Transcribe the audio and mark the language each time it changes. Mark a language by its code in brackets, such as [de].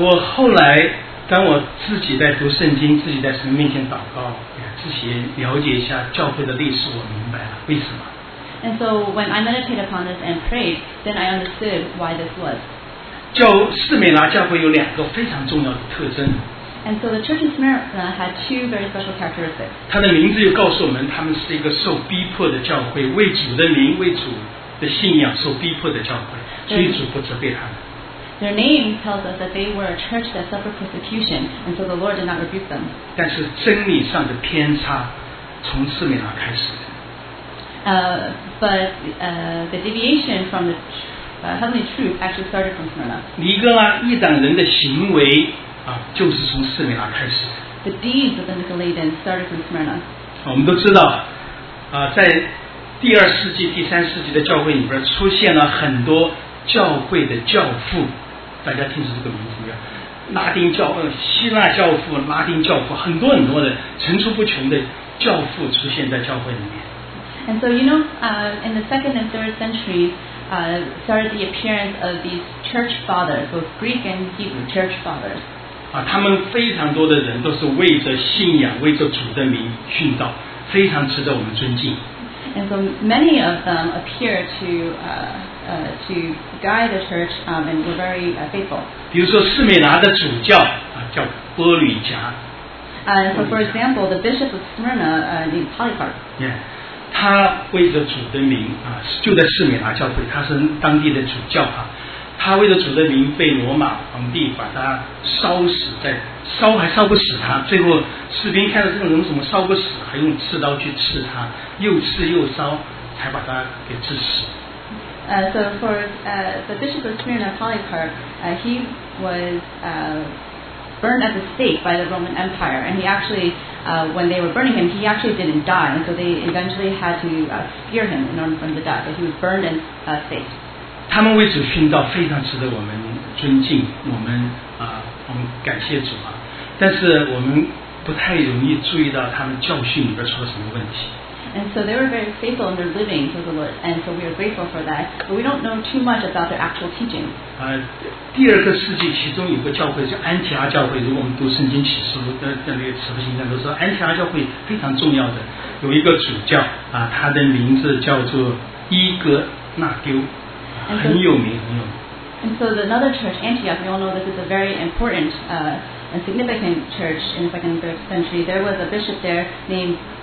[zh] 我后来当我自己在读圣经，自己在神面前祷告，自己了解一下教会的历史，我明白了为什么。 [en] And so when I meditated upon this and prayed, then I understood why this was. [zh] 士美拿教会有两个非常重要的特征。 [en] And so the church in Smyrna had two very special characteristics. [zh] 它的名字又告诉我们，他们是一个受逼迫的教会，为主的名、为主的信仰受逼迫的教会，所以主不责备他们。 [en] Their name tells us that they were a church that suffered persecution, and so the Lord did not rebuke them. [zh] 但是真理上的偏差从士美拿开始的。 [en] The deviation from the heavenly truth actually started from Smyrna. [zh] 尼哥拉一党人的行为。就是从士美拿开始的。 [en] The deeds of the Nicolaitans started from Smyrna. [zh] 我们都知道，在第二世纪、第三世纪的教会里边出现了很多教会的教父，大家听说这个名字没有？拉丁教、希腊教父、拉丁教父，很多很多的层出不穷的教父出现在教会里面。 [en] And so you know, in the second and third centuries, started the appearance of these church fathers, both Greek and Hebrew church fathers. [zh] 他们非常多的人都是为着信仰、为着主的名殉道，非常值得我们尊敬。 [en] And so many of them appear to guide the church, and were very faithful. [zh] 比如说士美拿的主教叫波吕加。 [en] So for example, the bishop of Smyrna, named Polycarp. [zh] Yeah, 他为着主的名就在士美拿教会，他是当地的主教他为了主的名被罗马皇帝把他烧死，在烧还烧不死他，最后士兵看到这个人怎么烧不死，还用刺刀去刺他，又刺又烧才把他给刺死。 [en] So for the Bishop of Smyrna, Polycarp, he was burned at the stake by the Roman Empire, and he actually, when they were burning him, he actually didn't die, and so they eventually had to spear him in order for him to die, but he was burned at the stake. [zh] 他们为主殉道非常值得我们尊敬，我们感谢主啊！但是我们不太容易注意到他们教训里边出了什么问题。 [en] And so they were very faithful in their living to the Lord, and so we are grateful for that. But we don't know too much about their actual teaching. [zh] 第二个世纪其中有个教会叫安提阿教会，如果我们读圣经启示录的那个使徒行传都说安提阿教会非常重要的，有一个主教啊，他的名字叫做伊格纳丢，很有名很有名。 [en] And so the another church, Antioch, we all know this is a very important, and significant church in the second and third century. There was a bishop there named.